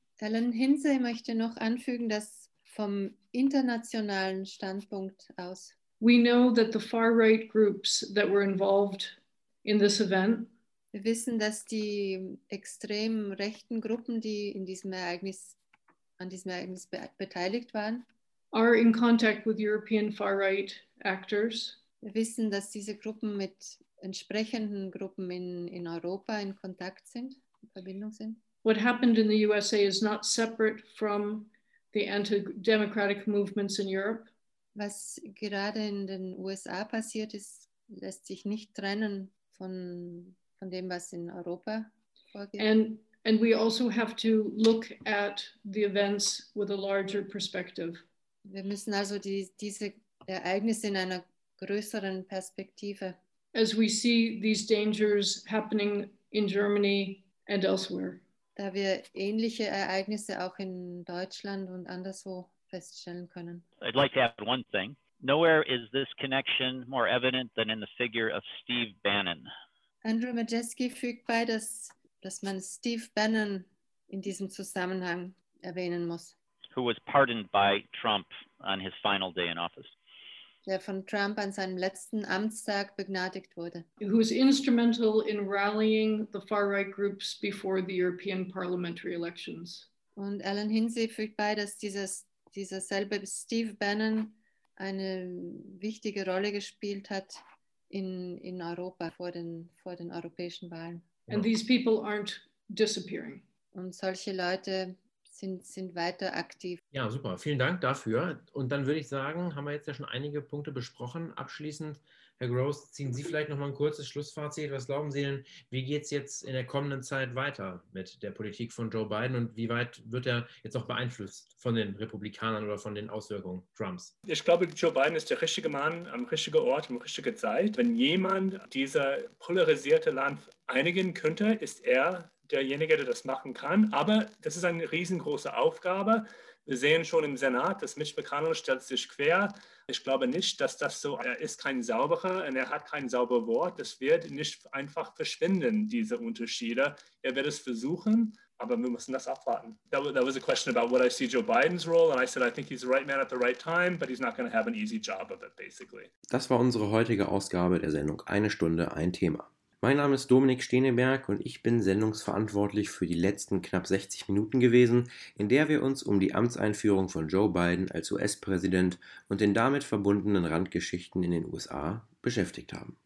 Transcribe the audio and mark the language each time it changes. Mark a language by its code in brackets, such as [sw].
[de] Ellen Hinze möchte noch anfügen, dass vom internationalen Standpunkt aus. [en] We know that the far-right groups that were involved in this event. [de] Wir wissen, dass die extrem rechten Gruppen, die an diesem Ereignis beteiligt waren, [en] are in contact with European far-right actors. [de] Wir wissen, dass diese Gruppen mit entsprechenden Gruppen in Europa in Kontakt sind, in Verbindung sind. [en] What happened in the USA is not separate from the anti-democratic movements in Europe. [de] Was gerade in den USA passiert ist, lässt sich nicht trennen von dem, was in Europa vorgeht. [en] And we also have to look at the events with a larger perspective. [de] Wir müssen also diese Ereignisse in einer größeren Perspektive. [en] As we see these dangers happening in Germany and elsewhere. [de] Da wir ähnliche Ereignisse auch in Deutschland und anderswo feststellen können. [en] I'd like to add one thing. Nowhere is this connection more evident than in the figure of Steve Bannon. [de] Andrew Majeski fügt bei, dass man Steve Bannon in diesem Zusammenhang erwähnen muss. [en] Who was pardoned by Trump on his final day in office. [de] Der von Trump an seinem letzten Amtstag begnadigt wurde. [en] Who was instrumental in rallying the far-right groups before the European parliamentary elections. [de] Und Alan Hinze fügt bei, dass dieser selbe Steve Bannon eine wichtige Rolle gespielt hat in Europa vor den europäischen Wahlen. [en] And these people aren't disappearing. [de] Und solche Leute sind weiter aktiv. Ja, super. Vielen Dank dafür. Und dann würde ich sagen, haben wir jetzt ja schon einige Punkte besprochen. Abschließend, Herr Gross, ziehen Sie vielleicht noch mal ein kurzes Schlussfazit. Was glauben Sie denn, wie geht es jetzt in der kommenden Zeit weiter mit der Politik von Joe Biden und wie weit wird er jetzt auch beeinflusst von den Republikanern oder von den Auswirkungen Trumps? Ich glaube, Joe Biden ist der richtige Mann am richtigen Ort, in der richtigen Zeit. Wenn jemand dieser polarisierte Land einigen könnte, ist er derjenige, der das machen kann. Aber das ist eine riesengroße Aufgabe. Wir sehen schon im Senat, dass Mitch McConnell stellt sich quer. Ich glaube nicht, dass das so ist. Er ist kein sauberer und er hat kein sauberes Wort. Das wird nicht einfach verschwinden, diese Unterschiede. Er wird es versuchen, aber wir müssen das abwarten. [en] That was a question about what I see Joe Biden's role. And I said, I think he's the right man at the right time, but he's not going to have an easy job of it, basically. [de] Das war unsere heutige Ausgabe der Sendung Eine Stunde, ein Thema. Mein Name ist Dominik Steneberg und ich bin sendungsverantwortlich für die letzten knapp 60 Minuten gewesen, in der wir uns um die Amtseinführung von Joe Biden als US-Präsident und den damit verbundenen Randgeschichten in den USA beschäftigt haben.